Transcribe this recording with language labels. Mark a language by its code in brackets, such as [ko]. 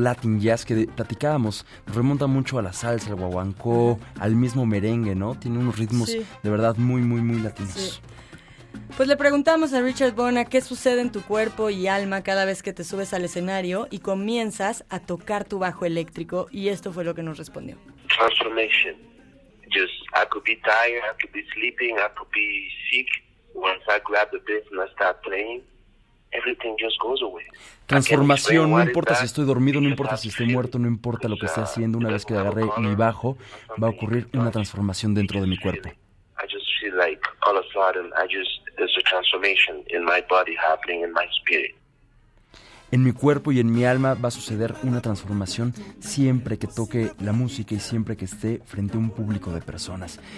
[es] Latin jazz que platicábamos, remonta mucho a la salsa, al guaguancó, al mismo merengue, ¿no? Tiene unos ritmos sí, de verdad muy, muy, muy latinos. Sí. Pues le preguntamos a Richard Bona qué sucede en tu cuerpo y alma cada vez que te subes al escenario y comienzas a tocar tu bajo eléctrico, y esto fue lo que nos respondió. [en] Transformation. Just, I could be tired, I could be sleeping, I could be sick. Once I grab the bass and I start playing, everything just goes away. [es] Transformación, no importa si estoy dormido, no importa si estoy muerto, no importa lo que esté haciendo, una vez que agarré mi bajo, va a ocurrir una transformación dentro de mi cuerpo. [en] I just feel like all of a sudden, there's a transformation in my body happening in my spirit. [es] En mi cuerpo y en mi alma va a suceder una transformación siempre que toque la música y siempre que esté frente a un público de personas.